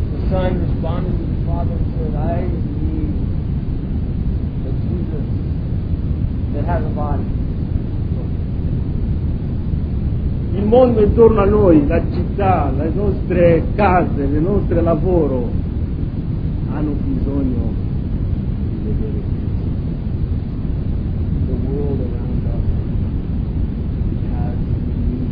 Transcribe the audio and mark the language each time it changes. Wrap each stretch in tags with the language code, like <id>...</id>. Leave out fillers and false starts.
<en>son responded to the father and said, I need a Jesus that has a body.</en> <it>Il mondo intorno a noi, la città, le nostre case, le nostre lavoro hanno bisogno di vedere Gesù.</it> <en>The world around us has need</en>